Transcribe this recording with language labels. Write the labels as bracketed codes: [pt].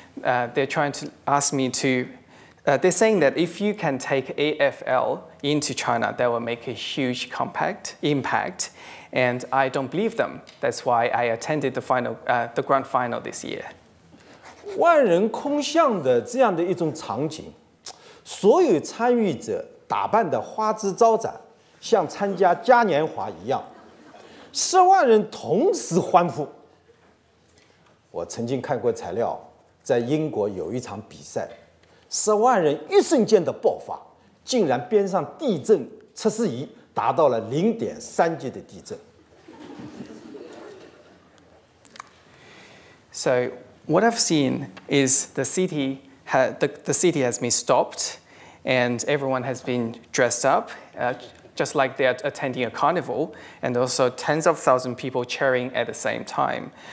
[en] They're trying to ask me to, they're saying that if you can take AFL into China, that will make a huge impact. And I don't believe them. That's why I attended the grand final this year. [zh] 万人空巷的这样的一种场景, 所有参与者打扮的花枝招展, 像参加嘉年华一样, 10万人同时欢呼。我曾经看过材料, 在英国有一场比赛, 10万人一瞬间的爆发, 竟然边上地震测试仪, 达到了0.3级的地震。 [en] So what I've seen is the city has been stopped, and everyone has been dressed up, just like they're attending a carnival, and also tens of thousands of people cheering at the same time.